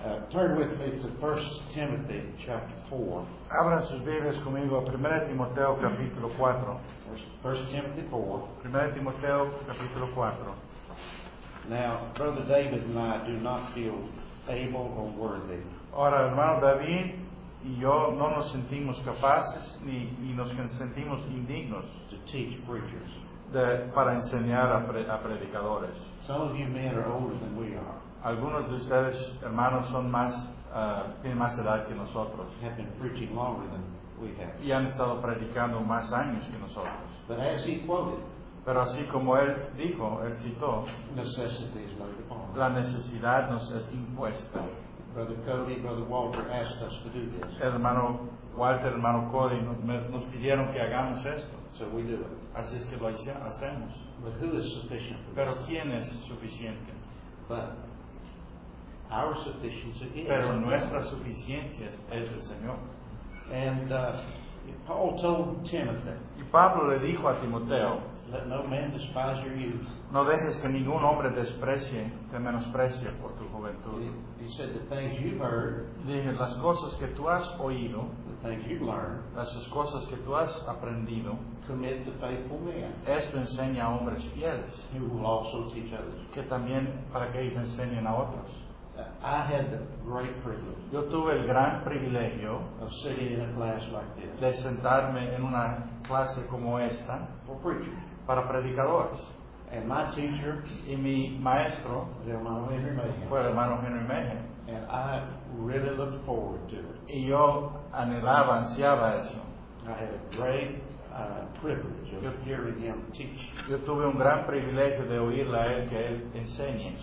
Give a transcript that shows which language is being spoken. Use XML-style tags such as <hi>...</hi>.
<en>Turn with me to 1 Timothy chapter 4.</en> <es>Abran sus Biblias conmigo a 1 Timoteo capítulo 4.</es> <en>1 Timothy 4.</en> <es>1 Timoteo capítulo 4.</es> <en>Now, Brother David and I do not feel able or worthy.</en> <es>Ahora, hermano David y yo no nos sentimos capaces ni nos sentimos indignos</es> <en>to teach preachers.</en> <es>Para enseñar a predicadores.</es> <en>Some of you men are older than we are.</en> <es>Algunos de ustedes, hermanos, son más, tienen más edad que nosotros.</es> <en>Have been preaching longer than we have.</en> <es>Y han estado predicando más años que nosotros.</es> <en>But as he quoted,</en> <es>pero así como él dijo, él citó,</es> <en>necessity is laid upon.</en> <es>La necesidad nos es impuesta.</es> <en>Brother Cody, Brother Walter asked us to do this.</en> <es>Hermano Walter, hermano Cody, nos pidieron que hagamos esto.</es> <en>So we do it.</en> <es>Así es que lo hacemos.</es> <en>But who is sufficient for</en> <es>pero</es> <en>this?</en> <es>¿Quién es suficiente?</es> <en>But our sufficiency is</en> <es>pero nuestra suficiencia es el Señor.</es> <en>And Paul told Timothy,</en> <es>y Pablo le dijo a Timoteo,</es> <en>let no man despise your youth.</en> <es>No dejes que ningún hombre desprecie, te menosprecie por tu juventud.</es> <en>He said the things you've heard,</en> <es>dije, las cosas que tú has oído,</es> <en>the things you've learned,</en> <es>las cosas que tú has aprendido,</es> <en>commit to faithful men.</en> <es>Esto enseña a hombres fieles,</es> <en>who will also teach others.</en> <es>Que también para que ellos enseñen a otros.</es> <en>I had the great privilege.</en> <es>Yo tuve el gran privilegio</es> <en>of sitting in a class like this.</en> <es>De sentarme en una clase como esta</es> <en>for preachers.</en> <es>Para predicadores.</es> <en>And my teacher,</en> <es>y mi maestro,</es> <en>the hermano Henry Mayhem.</en> <es>Fue el hermano Henry Mayhem.</es> <en>And I really looked forward to it.</en> <es>Y yo anhelaba, ansiaba eso.</es> <en>I had a great privilege of hearing him teach.</en> <es>Yo tuve un gran privilegio de oírle a él que él enseñe.</es>